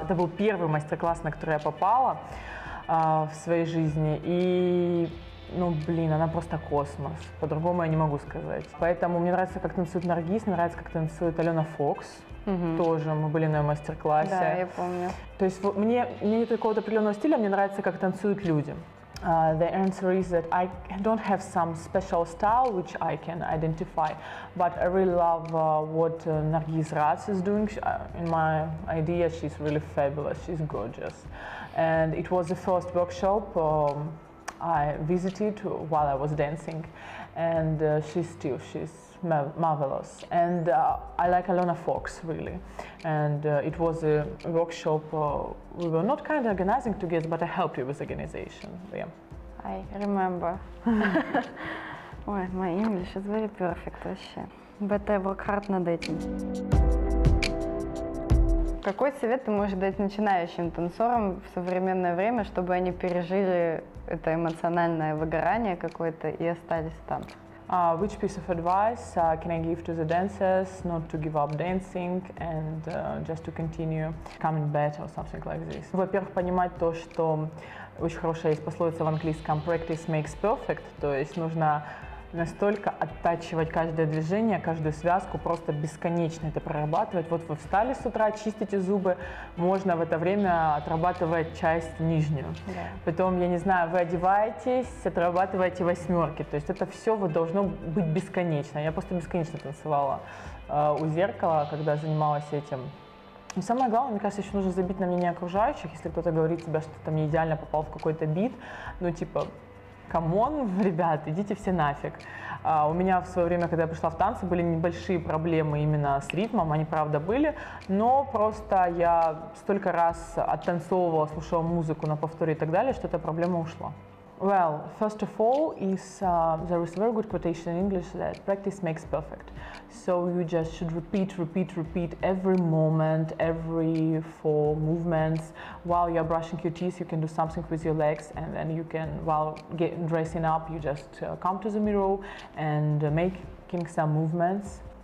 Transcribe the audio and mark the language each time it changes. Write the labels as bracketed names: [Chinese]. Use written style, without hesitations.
[Russian] Это был первый мастер-класс, на который я попала в своей жизни. И, ну, блин, она просто космос. По-другому я не могу сказать. Поэтому мне нравится, как танцует Наргиз. Мне нравится, как танцует Алена Фокс. Угу. Тоже мы были на мастер-классе. Да, я помню. То есть вот, мне нет какого-то определенного стиля. Мне нравится, как танцуют люди. [English] The answer is that I don't have some special style which I can identify, but I really love what Nargis Raz is doing. In my idea, she's really fabulous, she's gorgeous. And it was the first workshop I visited while I was dancing, and she's marvelous. And I like Alona Fox, really. And it was a workshop we were not kind of organizing together, but I helped you with organization. Yeah. I remember. Ой, my English is very perfect, [Russian] вообще. [English] But I work hard [Russian] над этим. Какой совет ты можешь дать начинающим танцорам в современное время, чтобы они пережили это эмоциональное выгорание какое-то и остались в танцах? [English] Which piece of advice can I give to the dancers not to give up dancing and just to continue coming back or something like this? [Russian] Во-первых, понимать то, что очень хорошая есть пословица в английском [English] practice makes perfect, [Russian] то есть нужно настолько оттачивать каждое движение, каждую связку, просто бесконечно это прорабатывать. Вот вы встали с утра, чистите зубы, можно в это время отрабатывать часть нижнюю. Да. Потом, я не знаю, вы одеваетесь, отрабатываете восьмерки. То есть это все вот должно быть бесконечно. Я просто бесконечно танцевала у зеркала, когда занималась этим. Но самое главное, мне кажется, еще нужно забить на мнение окружающих, если кто-то говорит тебе, что ты там не идеально попал в какой-то бит, ну типа... Камон, ребят, идите все нафиг. У меня в свое время, когда я пришла в танцы, были небольшие проблемы именно с ритмом, они правда были, но просто я столько раз оттанцовывала, слушала музыку на повторе и так далее, что эта проблема ушла. [English] Well, first of all, there is a very good quotation in English that practice makes perfect. So you just should repeat every moment, every four movements. While you're brushing your teeth, you can do something with your legs, and then you can, while getting dressing up, you just come to the mirror and making some movements.